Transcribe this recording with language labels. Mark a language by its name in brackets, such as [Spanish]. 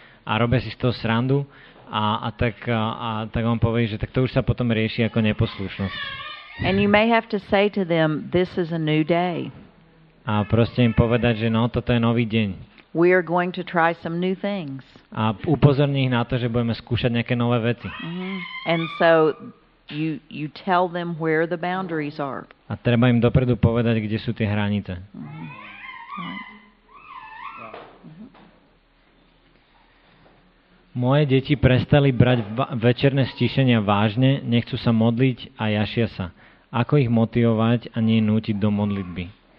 [Slovak] A robia si z toho srandu a tak on povie, že tak to už sa potom rieši ako neposlušnosť. [English] And you may have to say to them, this is a new day. [Slovak] A proste im povedať, že no, toto je nový deň. [English] We are going to try some new things. [Slovak] A upozorní ich na to, že budeme skúšať nejaké nové veci. Mm-hmm. [English] And so you tell them where the boundaries are. [Slovak] A treba im dopredu povedať, kde sú tie hranice. Mm-hmm. Moje deti prestali brať večerné stíšenia vážne, nechcú sa modliť a jašia sa. Ako ich motivovať a nie nútiť do modlitby?